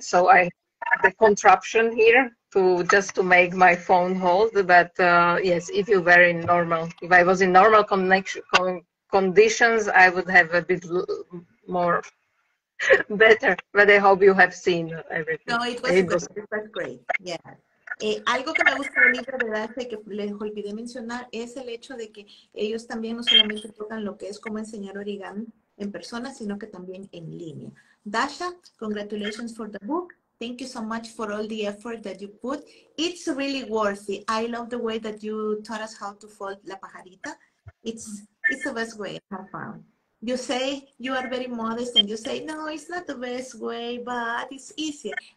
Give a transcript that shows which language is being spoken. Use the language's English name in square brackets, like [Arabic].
[English] So I have the contraption here to make my phone hold, but yes, if you were in normal, if I was in normal conditions, I would have a bit more better, but I hope you have seen everything. No, it was great, yeah. [Spanish] Algo que me gusta del libro de Dasha, que les olvidé mencionar, es el hecho de que ellos también no solamente tocan lo que es cómo enseñar origami en persona, sino que también en línea. [English] Dasha, congratulations for the book. Thank you so much for all the effort that you put. It's really worth it. I love the way that you taught us how to fold la pajarita. It's the best way I have found. You say you are very modest and you say, no, it's not the best way, but it's easier.